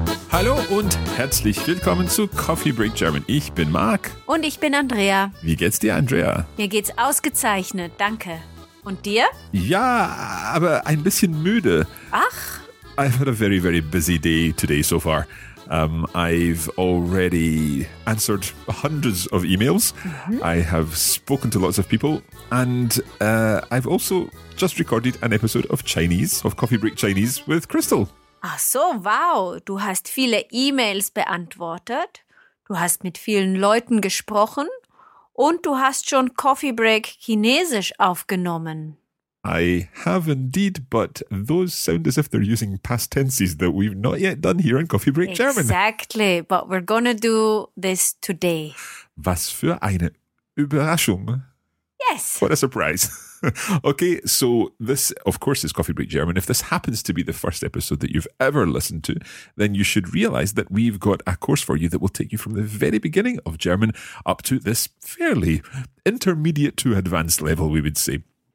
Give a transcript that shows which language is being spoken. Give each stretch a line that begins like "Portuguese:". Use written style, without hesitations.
German: Hallo und herzlich willkommen zu Coffee Break German. Ich bin Marc. Und ich bin Andrea. Wie geht's dir, Andrea? Mir geht's ausgezeichnet, danke. Und dir? Ja, aber ein bisschen müde. Ach.
English: I've had a very, very busy day today so far. I've already answered hundreds of emails. Mm-hmm. I have spoken to lots of people. And I've also just recorded an episode of Chinese, of Coffee Break Chinese with Crystal.
German: Ach so, wow. Du hast viele E-Mails beantwortet. Du hast mit vielen Leuten gesprochen. Und du hast schon Coffee Break Chinesisch aufgenommen.
English: I have indeed, but those sound as if they're using past tenses that we've not yet done here in Coffee Break German. Exactly, but we're gonna do this today.
German: Was für eine Überraschung.
English: Yes. What a surprise. Okay, so this, of course, is Coffee Break German. If this happens to be the first episode that you've ever listened to, then you should realize that we've got a course for you that will take you from the very beginning of German up to this fairly intermediate to advanced level, we would say.